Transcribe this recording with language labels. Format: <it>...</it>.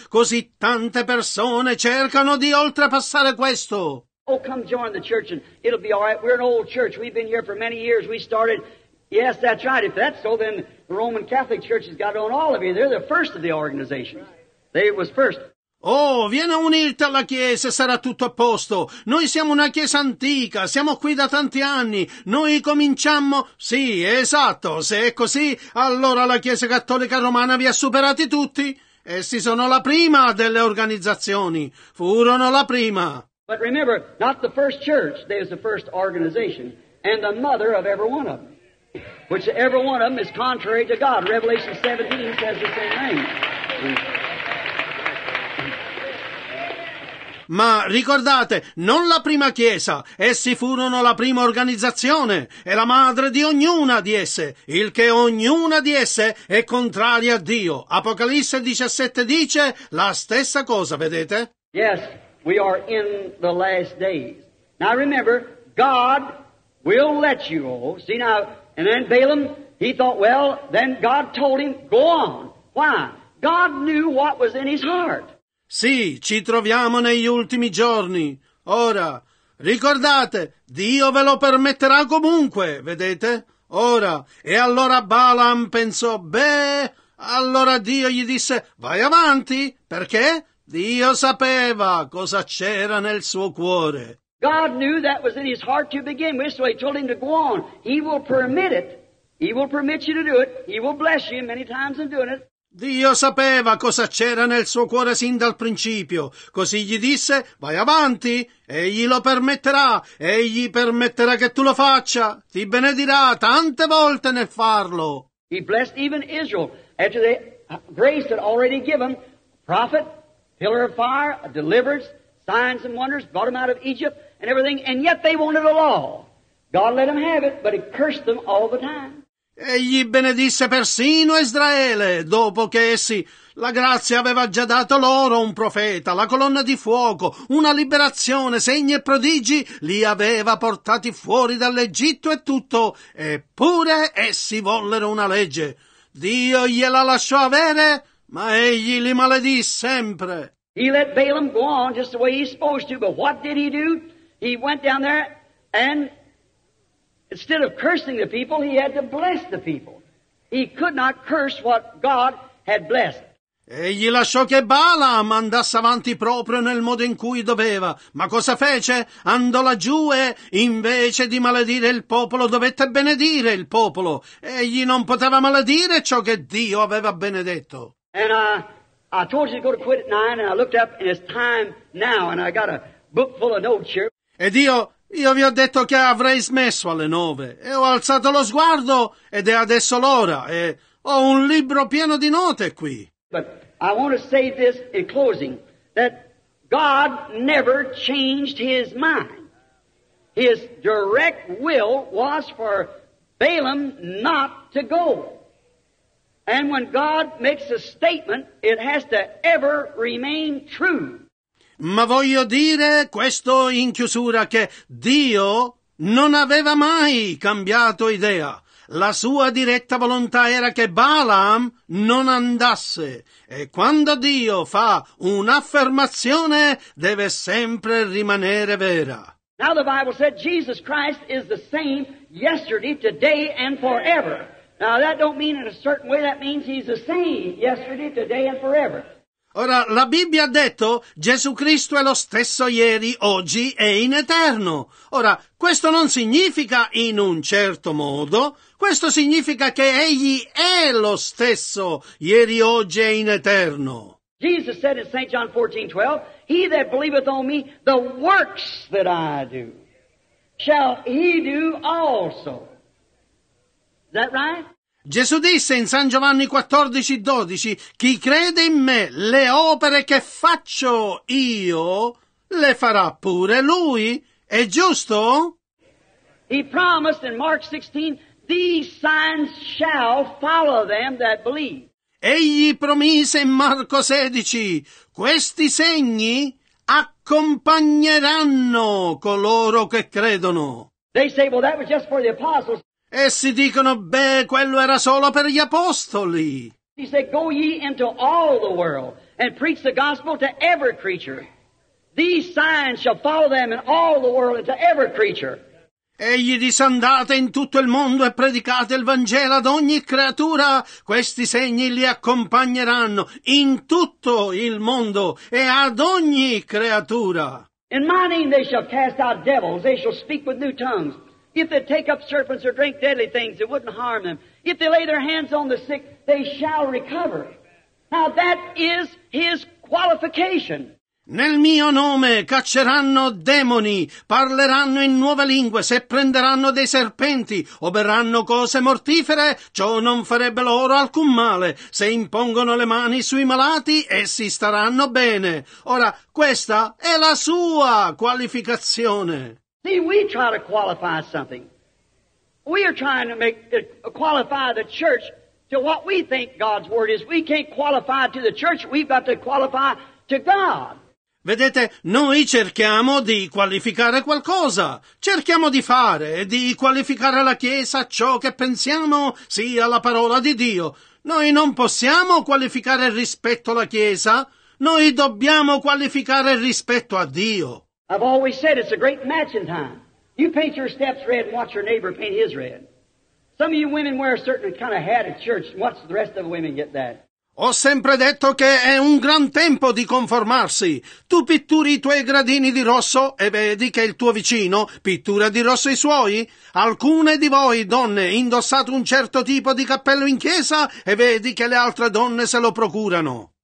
<it>Così tante persone cercano di oltrepassare questo.</it> <en>Oh, come join the church and it'll be all right. We're an old church. We've been here for many years. We started. Yes, that's right. If that's so, then the Roman Catholic Church has got on all of you. They're the first of the organizations. They was first.</en> <it>Oh, vieni a unirti alla Chiesa e sarà tutto a posto. Noi siamo una Chiesa antica, siamo qui da tanti anni. Noi cominciammo... Sì, esatto, se è così, allora la Chiesa Cattolica Romana vi ha superati tutti. Essi sono la prima delle organizzazioni. Furono la prima.</it> <en>But remember, not the first church, they was the first organization, and the mother of every one of them. Which every one of them is contrary to God. Revelation 17 says the same thing.</en> <it>Ma ricordate, non la prima chiesa, essi furono la prima organizzazione e la madre di ognuna di esse, il che ognuna di esse è contraria a Dio. Apocalisse 17 dice la stessa cosa, vedete?</it> <en>Yes, we are in the last days. Now remember, God will let you go. See now, and then Balaam, he thought, well, then God told him, go on. Why? God knew what was in his heart.</en> <it>Sì, ci troviamo negli ultimi giorni. Ora, ricordate, Dio ve lo permetterà comunque, vedete? Ora, e allora Balaam pensò, beh, allora Dio gli disse, vai avanti, perché Dio sapeva cosa c'era nel suo cuore.</it> <en>God knew that was in his heart to begin with, so he told him to go on. He will permit it. He will permit you to do it. He will bless you many times in doing it.</en> <it>Dio sapeva cosa c'era nel suo cuore sin dal principio. Così gli disse, vai avanti, egli lo permetterà, egli permetterà che tu lo faccia. Ti benedirà tante volte nel farlo.</it> <en>He blessed even Israel after the grace that already given. Prophet, pillar of fire, deliverance, signs and wonders, brought them out of Egypt and everything. And yet they wanted a law. God let them have it, but he cursed them all the time.</en> <it>Egli benedisse persino Israele, dopo che essi, la grazia aveva già dato loro un profeta, la colonna di fuoco, una liberazione, segni e prodigi, li aveva portati fuori dall'Egitto e tutto, eppure essi vollero una legge. Dio gliela lasciò avere, ma egli li maledì sempre.</it> <en>He let Balaam go on just the way he's supposed to, but what did he do? He went down there and... Instead of cursing the people, he had to bless the people. He could not curse what God had blessed.</en> <it>Egli lasciò che Balaam andasse avanti proprio nel modo in cui doveva, ma cosa fece? Andò laggiù e, invece di maledire il popolo, dovette benedire il popolo. Egli non poteva maledire ciò che Dio aveva benedetto.</it> <en>And I told you to go to quit at 9 and I looked up and it's time now and I got a book full of notes here.</en> <it>Ed io vi ho detto che avrei smesso alle 9 e ho alzato lo sguardo ed è adesso l'ora e ho un libro pieno di note qui.</it> <en>But I want to say this in closing, that God never changed his mind. His direct will was for Balaam not to go. And when God makes a statement, it has to ever remain true.</en> <it>Ma voglio dire questo in chiusura, che Dio non aveva mai cambiato idea. La sua diretta volontà era che Balaam non andasse. E quando Dio fa un'affermazione, deve sempre rimanere vera.</it> <en>Now the Bible said Jesus Christ is the same yesterday, today and forever. Now that don't mean in a certain way, that means he's the same yesterday, today and forever.</en> <it>Ora, la Bibbia ha detto Gesù Cristo è lo stesso ieri, oggi e in eterno. Ora, questo non significa in un certo modo, questo significa che Egli è lo stesso ieri, oggi e in eterno.</it> <en>Jesus said in St. John 14:12, He that believeth on me, the works that I do, shall he do also. Is that right?</en> <it>Gesù disse in San Giovanni 14:12, chi crede in me, le opere che faccio io, le farà pure lui. È giusto?</it> <en>He promised in Mark 16, these signs shall follow them that believe.</en> <it>Egli promise in Marco 16, questi segni accompagneranno coloro che credono.</it> <en>They say, well, that was just for the apostles.</en> <it>Essi dicono, beh, quello era solo per gli apostoli.</it> <en>He said, go ye into all the world and preach the gospel to every creature. These signs shall follow them in all the world and to every creature.</en> <it>Egli disse, andate in tutto il mondo e predicate il Vangelo ad ogni creatura. Questi segni li accompagneranno in tutto il mondo e ad ogni creatura.</it> <en>In my name they shall cast out devils, they shall speak with new tongues. If they take up serpents or drink deadly things, it wouldn't harm them. If they lay their hands on the sick, they shall recover. Now that is his qualification.</en> <it>Nel mio nome cacceranno demoni, parleranno in nuove lingue, se prenderanno dei serpenti o berranno cose mortifere, ciò non farebbe loro alcun male. Se impongono le mani sui malati, essi staranno bene. Ora, questa è la sua qualificazione.</it> <en>See, we try to qualify something. We are trying to make it qualify the church to what we think God's word is. We can't qualify to the church. We've got to qualify to God.</en> <it>Vedete, noi cerchiamo di qualificare qualcosa. Cerchiamo di fare e di qualificare la Chiesa ciò che pensiamo sia la parola di Dio. Noi non possiamo qualificare rispetto alla Chiesa. Noi dobbiamo qualificare rispetto a Dio.</it> <en>I've always said it's a great matching time. You paint your steps red and watch your neighbor paint his red. Some of you women wear a certain kind of hat at church and watch the rest of the women get that.</en> <it>Ho sempre detto che è un gran tempo di conformarsi. Tu pitturi i tuoi gradini di rosso e vedi che il tuo vicino pittura di rosso i suoi. Alcune di voi donne indossate un certo tipo di cappello in chiesa e vedi che le altre donne se lo procurano.</it>